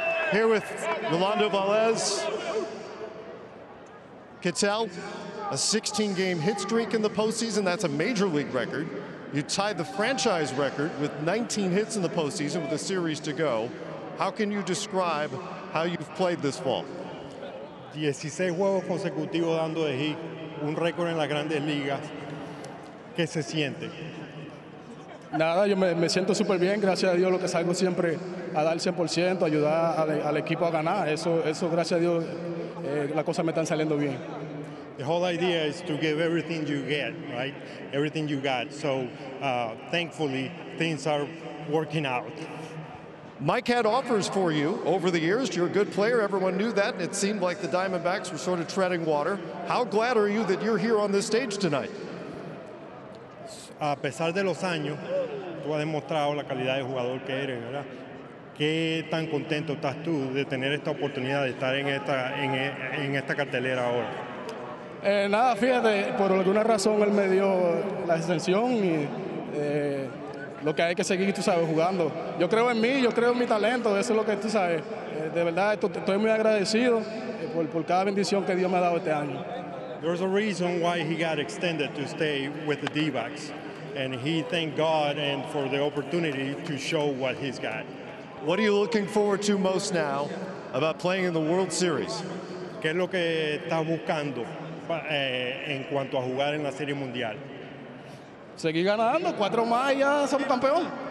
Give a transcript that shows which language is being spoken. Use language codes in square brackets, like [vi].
[en] Here with Rolando Valdez. Ketel, a 16-game hit streak in the postseason. That's a major league record. You tied the franchise record with 19 hits in the postseason with a series to go. How can you describe how you've played this fall? [es] 16 juegos consecutivos dando de hit, un récord en las grandes ligas. ¿Qué se siente? Nada, yo me siento súper bien, gracias a Dios, lo que salgo siempre a dar 100%, ayudar al equipo a ganar. Eso gracias a Dios, las cosas me están saliendo bien. [en] The whole idea is to give everything you get, right? Everything you got. So, thankfully, things are working out. Mike had offers for you over the years. You're a good player. Everyone knew that. It seemed like the Diamondbacks were sort of treading water. How glad are you that you're here on this stage tonight? [es] A pesar de los años, tú has demostrado la calidad de jugador que eres, ¿verdad? ¿Qué tan contento estás tú de tener esta oportunidad de estar en esta cartelera ahora? Nada, fíjate, por alguna razón él me dio la exención y lo que hay que seguir, tú sabes, jugando. Yo creo en mí, yo creo en mi talento, eso es lo que tú sabes. De verdad, estoy muy agradecido por cada bendición que Dios me ha dado este año. [en] There's a reason why he got extended to stay with the D-backs. And he thanked God and for the opportunity to show what he's got. What are you looking forward to most now about playing in the World Series? [es] ¿Qué es lo que estás buscando en cuanto a jugar en la Serie Mundial? Seguir ganando, cuatro más y ya somos campeón.